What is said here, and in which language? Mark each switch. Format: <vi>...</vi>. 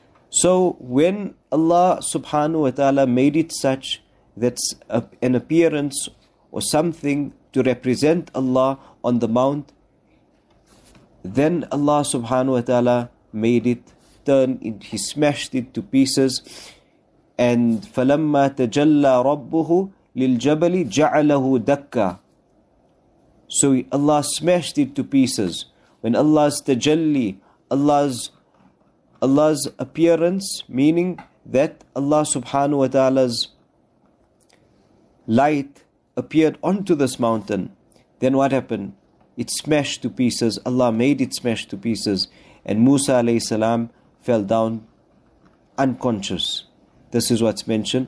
<en>So when Allah subhanahu wa ta'ala made it such that an appearance or something to represent Allah on the mount, then Allah subhanahu wa ta'ala made it turn, he smashed it to pieces. And</en> <ar>فَلَمَّا تَجَلَّى رَبُّهُ لِلْجَبَلِ جَعَلَهُ دَكَّى.</ar> <en>So Allah smashed it to pieces. When Allah's tajalli, Allah's appearance, meaning that Allah subhanahu wa ta'ala's light appeared onto this mountain, then what happened? It smashed to pieces. Allah made it smash to pieces. And Musa alayhi salam fell down unconscious. This is what's mentioned.</en>